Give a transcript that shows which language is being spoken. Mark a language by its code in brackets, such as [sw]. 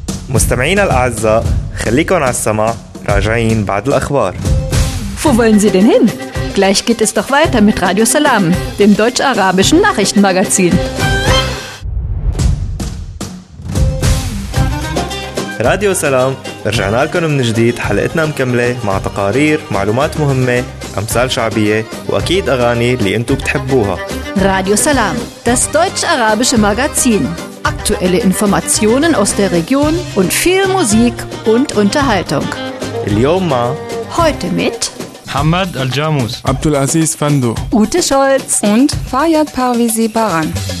[ar] مستمعينا الأعزاء خليكم على السماع راجعين بعد الأخبار. [de] Wo wollen Sie denn hin? Gleich geht es doch weiter mit Radio Salam, dem deutsch-arabischen Nachrichtenmagazin. [ar] راديو سلام رجعنا لكم من جديد حلقتنا مكملة مع تقارير معلومات مهمة أمثال شعبية وأكيد أغاني اللي أنتوا بتحبوها [de] راديو سلام das deutsch-arabische Magazin aktuelle Informationen aus der Region und viel Musik und Unterhaltung [ar] اليوم مع [de] heute mit [ar] محمد الجاموس عبدالعزيز فندو [de] Ute Scholz und Fayyad Parvizi Baran.